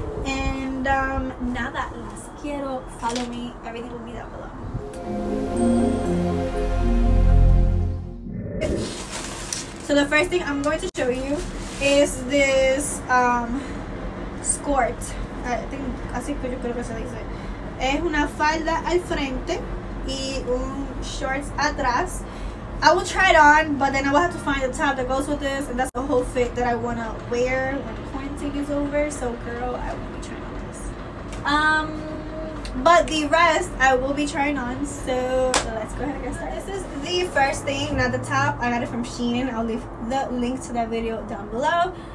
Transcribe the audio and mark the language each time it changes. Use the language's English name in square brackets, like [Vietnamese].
[English] And [Spanish] nada, las quiero. [English] Follow me, everything will be down below. So the first thing I'm going to show you is this skirt. I think [Spanish] así que yo creo que se dice. Es una falda al frente y un shorts atrás. [English] I will try it on, but then I will have to find the top that goes with this, and that's the whole fit that I wanna wear when quarantine is over. So girl, I will be trying on this. But the rest I will be trying on, so let's go ahead and get started. This is the first thing, not the top. I got it from Shein. I'll leave the link to that video down below.